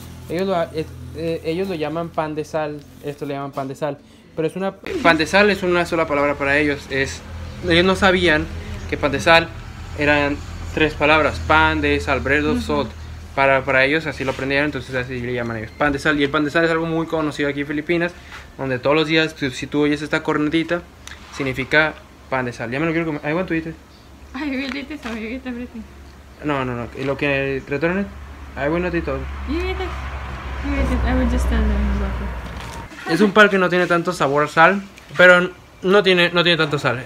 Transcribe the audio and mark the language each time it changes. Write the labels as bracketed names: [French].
[Spanish] Ellos lo llaman pan de sal. Esto le llaman pan de sal. Pero es una... Pan de sal es una sola palabra para ellos. Ellos no sabían que pan de sal eran tres palabras, pan de sal, [English] bread of salt. [Spanish] Para ellos así lo aprendieron, entonces así le llaman ellos, pan de sal. Y el pan de sal es algo muy conocido aquí en Filipinas, donde todos los días, si tú oyes esta cornetita, significa pan de sal. Ya me lo quiero comer. [English] I want to eat it. I will eat it, everything. [Spanish] No. ¿Y lo que retornen? [English] I will not eat it. You eat it. I will just tell them about it. [Spanish] Es un pan que no tiene tanto sabor a sal, pero no tiene tanto sal.